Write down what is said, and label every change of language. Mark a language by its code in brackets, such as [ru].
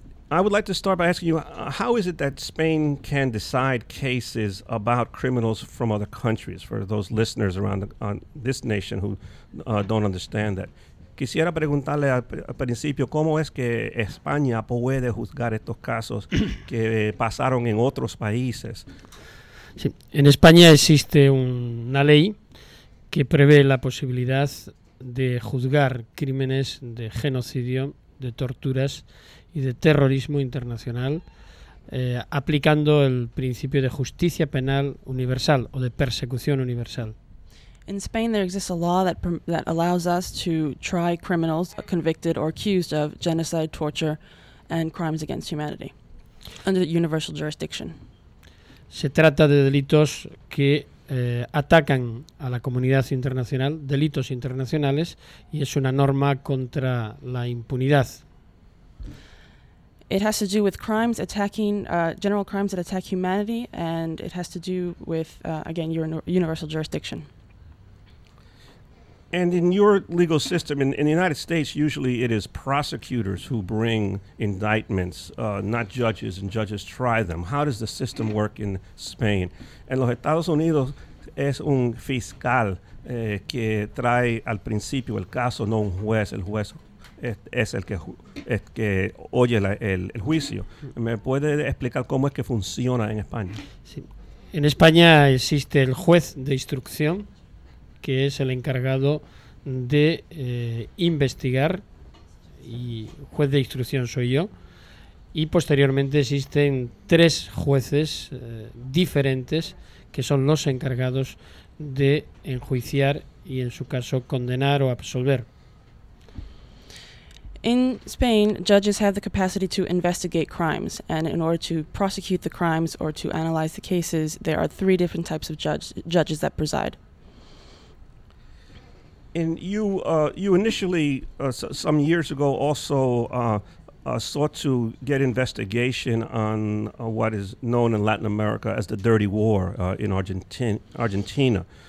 [en] I would like to start by asking you, how is it that Spain can decide cases about criminals from other countries, for those listeners around this nation who don't understand that? [es] Quisiera preguntarle al principio, ¿cómo es que España puede juzgar estos casos que pasaron en otros países? Sí. En España existe una ley que prevé la posibilidad de juzgar crímenes de genocidio, de torturas y de terrorismo internacional, aplicando el principio de justicia penal universal o de persecución universal. [en] In Spain, there exists a law that allows us to try criminals convicted or accused of genocide, torture, and crimes against humanity under universal jurisdiction. [es] Se trata de delitos que atacan a la comunidad internacional, delitos internacionales, y es una norma contra la impunidad. [en] It has to do with crimes attacking general crimes that attack humanity, and it has to do with again your universal jurisdiction. And in your legal system, in the United States, usually it is prosecutors who bring indictments, not judges, and judges try them. How does the system work in Spain? [es] En los Estados Unidos es un fiscal que trae al principio el caso, no un juez. El juez es el que oye el juicio. ¿Me puede explicar cómo es que funciona en España? Sí. En España existe el juez de instrucción, que es el encargado de investigar, y juez de instrucción soy yo, y posteriormente existen tres jueces diferentes que son los encargados de enjuiciar y en su caso condenar o absolver. [en] In Spain, judges have the capacity to investigate crimes, and in order to prosecute the crimes or to analyze the cases, there are three different types of judges that preside. And you initially, some years ago, also sought to get investigation on what is known in Latin America as the Dirty War in Argentina.